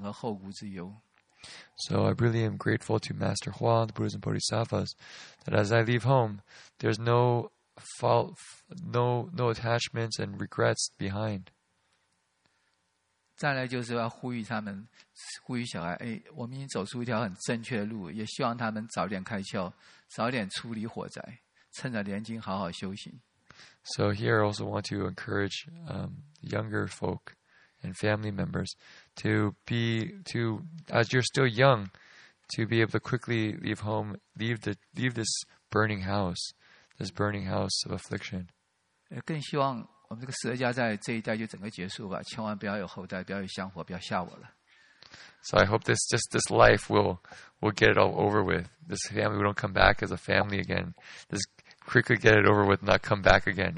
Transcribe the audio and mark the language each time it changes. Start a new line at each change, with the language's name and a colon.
Chinese: 非常感恩上人以及诸佛菩萨把我们家安排那么好，使我出家后真的没有任何后顾之忧。So
English: I really am grateful to Master Hua, the Buddhas and Bodhisattvas, that as I leave home, there's no fault, no attachments and regrets behind.
Chinese: 再来就是要呼吁他们，呼吁小孩，哎，我们已经走出一条很正确的路，也希望他们早点开窍，早点出离火灾，趁着年轻好好修行。
English: So here I also want to encourage younger folk and family members to as you're still young, to be able to quickly leave home, leave this burning house of affliction.
Chinese: 更希望我们这个十二家在这一代就整个结束吧，千万不要有后代，不要有香火，不要吓我了。
English: So I hope this life will get it all over with. This family, we don't come back as a family again. This quickly get it over with, not come back again.